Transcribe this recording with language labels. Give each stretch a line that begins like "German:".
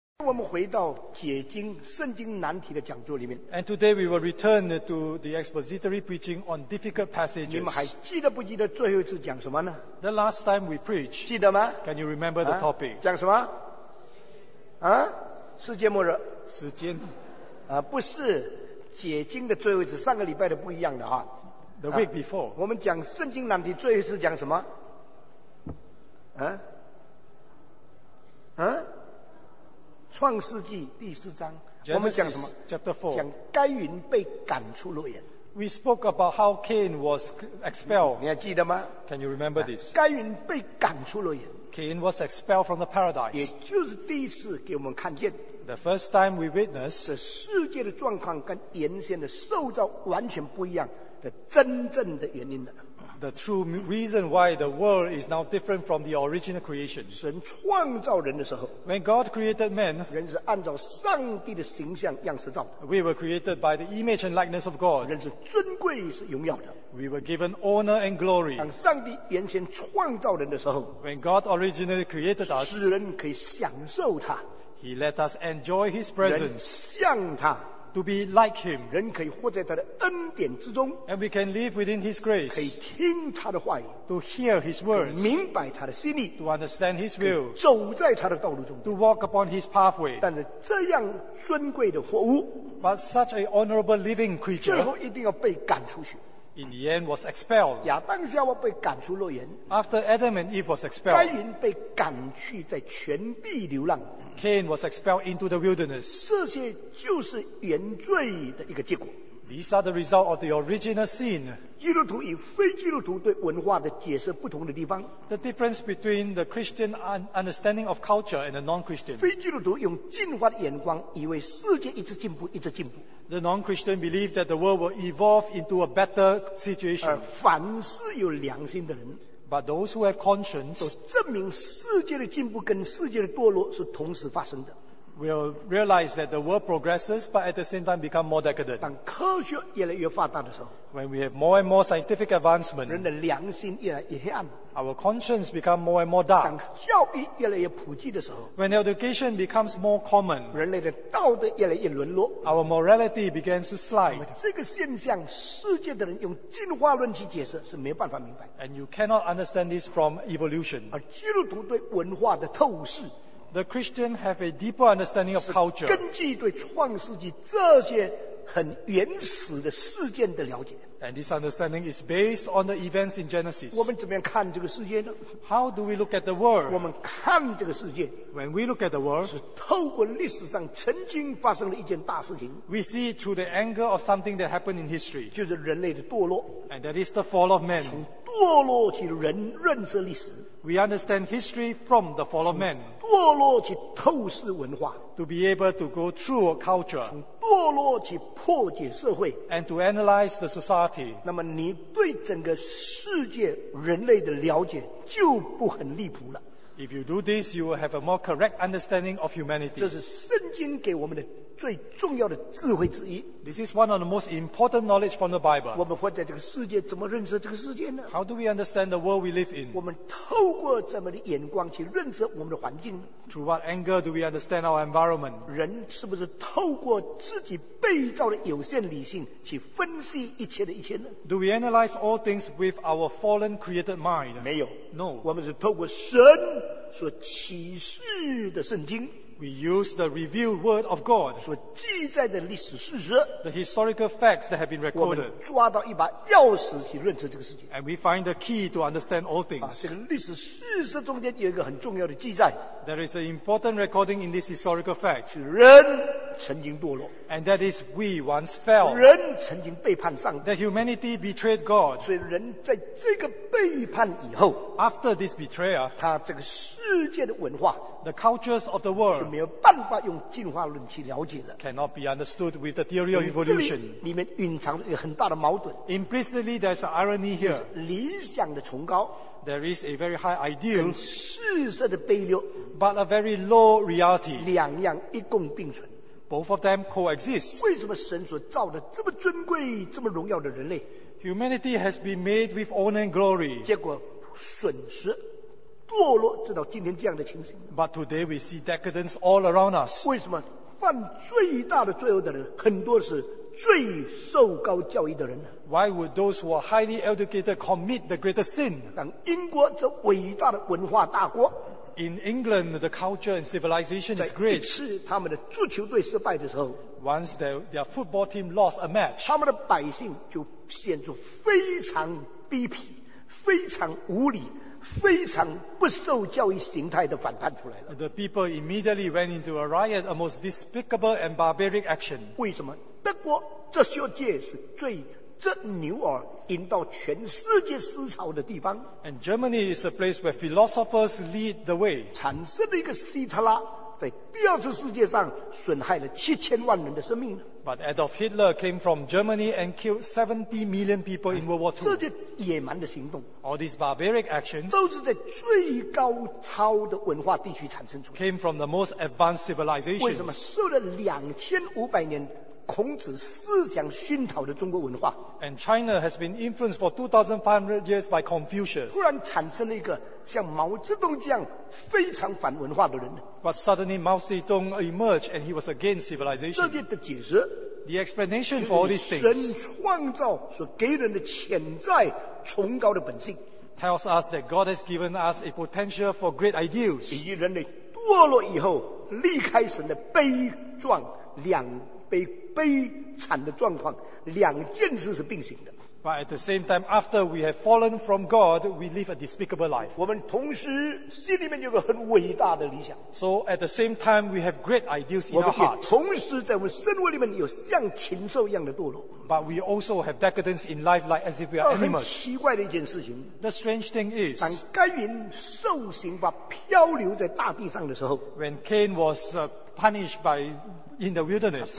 Chinese: 我们回到解经圣经难题的讲座里面。
English: And today we will return to the expository preaching on difficult passages.
Chinese: 你们还记得不记得最后一次讲什么呢？
English: The last time we preached.
Chinese: 记得吗？
English: Can you remember the topic?
Chinese: 讲什么？啊？世界末日。时间。啊，不是解经的最后一次，上个礼拜的不一样的哈。
English: The week before.
Chinese: 我们讲圣经难题最后一次讲什么？创世纪第四章
English: Genesis,
Chinese: 我们讲什么
English: chapter 4,
Chinese: 讲该云被赶出诺言。
English: We spoke about how Cain was expelled.
Chinese: 你还记得吗？
English: Can you remember this?
Chinese: 该云被赶出诺言。
English: Cain was expelled from the paradise.
Chinese: 也就是第一次给我们看见
English: The first time we witnessed
Chinese: 这世界的状况跟原先的受造完全不一样的真正的原因了。
English: The true reason why the world is now different from the original creation.
Chinese: 神创造人的时候，
English: When God created man,
Chinese: 人是按照上帝的形象样式造。
English: We were created by the image and likeness of God.
Chinese: 人是尊贵是荣耀的。
English: We were given honor and glory.
Chinese: 当上帝原先创造人的时候，
English: When God originally created us,
Chinese: 使人可以享受他。
English: He let us enjoy his presence.
Chinese: 人像他。
English: To be like him,
Chinese: 人可以活在他的恩典之中，
English: and we can live within his grace,
Chinese: 可以听他的话语，
English: to hear his words,
Chinese: 明白他的心意，
English: to understand his will,
Chinese: 走在他的道路中，
English: to walk upon his pathway.
Chinese: 但是这样尊贵的活物，
English: but such an honorable living creature,
Chinese: 最后一定要被赶出去。
English: In the end, was expelled.
Chinese: 亚当夏娃被赶出诺言。
English: After Adam and Eve was expelled,
Chinese: 该隐被赶去在全地流浪。
English: Cain was expelled into the wilderness.
Chinese: 这些就是原罪的一个结果。
English: These are the result of the original sin.
Chinese: 基督徒与非基督徒对文化的解释不同的地方。
English: The difference between the Christian understanding of culture and the non-Christian.
Chinese: 非基督徒用进化的眼光，以为世界一直进步，一直进步。
English: The non-Christian believe that the world will evolve into a better situation.
Chinese: 而凡是有良心的人。
English: But those who have conscience
Chinese: 都证明世界的进步跟世界的堕落是同时发生的。
English: Will realize that the world progresses, but at the same time become more decadent.
Chinese: 当科学越来越发达的时候，
English: when we have more and more scientific advancement,
Chinese: 人的良心越来越黑暗，
English: our conscience become more and more dark.
Chinese: 当教育越来越普及的时候，
English: when education becomes more common,
Chinese: 人类的道德越来越沦落，
English: our morality begins to slide.
Chinese: 这个现象，世界的人用进化论去解释是没办法明白。
English: And you cannot understand this from evolution.
Chinese: 而基督徒对文化的透视。
English: The Christian have a deeper understanding of culture.
Chinese: 根据对创世纪这些很原始的事件的了解。
English: And this understanding is based on the events in Genesis.
Chinese: 我们怎么样看这个世界呢？
English: How do we look at the world?
Chinese: 我们看这个世界。
English: When we look at the world,
Chinese: 是透过历史上曾经发生的一件大事情。
English: We see through the angle of something that happened in history.
Chinese: 就是人类的堕落。
English: And that is the fall of man.
Chinese: 从堕落起人认识历史。
English: We understand history from the fall of man.
Chinese: 从堕落去透视文化。
English: To be able to go through culture.
Chinese: 从堕落去破解社会。
English: And to analyze the society.
Chinese: 那么你对整个世界人类的了解就不很离谱了。
English: If you do this, you will have a more correct understanding of humanity.
Chinese: 这是圣经给我们的最重要的智慧之一。
English: This is one of the most important knowledge from the Bible.
Chinese: 我们活在这个世界，怎么认识这个世界呢？
English: How do we understand the world we live in?
Chinese: 我们透过怎么的眼光去认识我们的环境？
English: Through what angle do we understand our environment?
Chinese: 人是不是透过自己被造的有限理性去分析一切的一切呢？
English: Do we analyze all things with our fallen created mind?
Chinese: 没有。
English: No.
Chinese: 我们是透过神所启示的圣经。
English: We use the revealed word of God.
Chinese: 所记载的历史事实。
English: The historical facts that have been recorded.
Chinese: 我们抓到一把钥匙去认识这个事情。
English: And we find the key to understand all things.
Chinese: 这个历史事实中间有一个很重要的记载。
English: There is an important recording in this historical fact.
Chinese: 人曾经堕落。
English: And that is we once fell.
Chinese: 人曾经背叛上帝。
English: That humanity betrayed God.
Chinese: 所以人在这个背叛以后。
English: After this betrayal.
Chinese: 他这个世界的文化。
English: The cultures of the world
Chinese: 是没有办法用进化论去了解的。
English: Cannot be understood with the theory of evolution.
Chinese: 里面蕴藏着一个很大的矛盾。
English: Implicitly, there's an irony here.
Chinese: 理想的崇高。
English: There is a very high ideal.
Chinese: 跟事实的背离。
English: But a very low reality.
Chinese: 两样一共并存。
English: Both of them coexist.
Chinese: 为什么神所造的这么尊贵、这么荣耀的人类
English: ？Humanity has been made with honor and glory.
Chinese: 结果损失。堕落，直到今天这样的情形。
English: But today we see decadence all around us.
Chinese: 为什么犯最大的罪恶的人，很多是最受高教育的人呢？
English: Why would those who are highly educated commit the greatest sin?
Chinese: 当英国这伟大的文化大国。
English: In England, the culture and civilization is great.
Chinese: 在一次他们的足球队失败的时候，
English: Once their football team lost a match,
Chinese: 他们的百姓就显出非常卑鄙、非常无礼、非常不受教育形态的反叛出来了。
English: The people immediately went into a riot, a most despicable and barbaric action.
Chinese: 为什么？德国哲学界是最牛耳引到全世界思潮的地方。
English: And Germany is a place where philosophers lead the way.
Chinese: 产生了一个希特拉，在第二次世界上损害了7000万人的生命。
English: But Adolf Hitler came from Germany and killed 70 million people in World War II.
Chinese: 这些野蛮的行动
English: ，all these barbaric actions，
Chinese: 都是在最高超的文化地区产生出来。
English: Came from the most advanced civilizations.
Chinese: 为什么受了2500年？孔子思想熏陶的中国文化
English: ，and China has been influenced for 2,500 years by Confucius.
Chinese: 突然产生了一个像毛泽东这样非常反文化的人。
English: But suddenly Mao Zedong emerged, and he was against civilization.
Chinese: 这些的解释
English: ，the explanation for all these things，
Chinese: 神创造所给人的潜在崇高的本性
English: ，tells us that God has given us a potential for great ideals.
Chinese: 以人类堕落以后离开神的悲壮两。悲惨的状况，两件事是并行的。
English: But at the same time, after we have fallen from God, we live a despicable life.
Chinese: 我们同时心里面有个很伟大的理想。
English: So at the same time, we have great ideals in our hearts.
Chinese: 我们也同时在我们生活里面有像禽兽一样的堕落。
English: But we also have decadence in life, like as if we are animals.
Chinese: 很奇怪的一件事情。
English: The strange thing is,
Chinese: 当该隐受刑罚漂流在大地上的时候
English: ，When Cain was punished by in the wilderness，